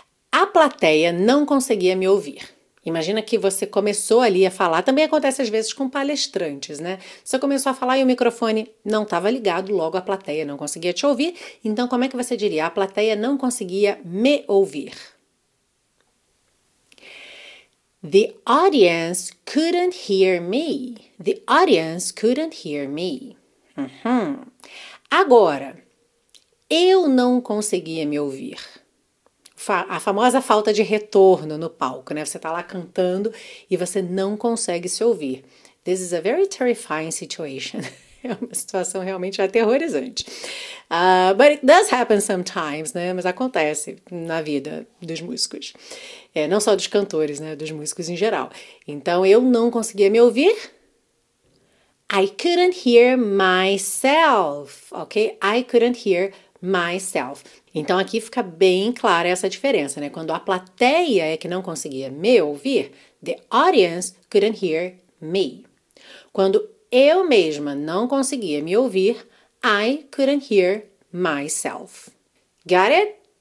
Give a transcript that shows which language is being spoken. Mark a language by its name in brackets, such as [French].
[Portuguese] A plateia não conseguia me ouvir. Imagina que você começou ali a falar. Também acontece às vezes com palestrantes, né? Você começou a falar e o microfone não estava ligado, logo a plateia não conseguia te ouvir. Então, como é que você diria? A plateia não conseguia me ouvir. [English] The audience couldn't hear me. The audience couldn't hear me. [Portuguese] Agora, eu não conseguia me ouvir. A famosa falta de retorno no palco, né? Você tá lá cantando e você não consegue se ouvir. [English] This is a very terrifying situation. [Portuguese] É uma situação realmente aterrorizante. [English] But it does happen sometimes, né? [Portuguese] Mas acontece na vida dos músicos. Não só dos cantores, né? Dos músicos em geral. Então, eu não conseguia me ouvir. [English] I couldn't hear myself, ok? I couldn't hear myself. [Portuguese] Então, aqui fica bem clara essa diferença, né? Quando a plateia é que não conseguia me ouvir, [English] the audience couldn't hear me. [Portuguese] Quando eu mesma não conseguia me ouvir, [English] I couldn't hear myself. Got it?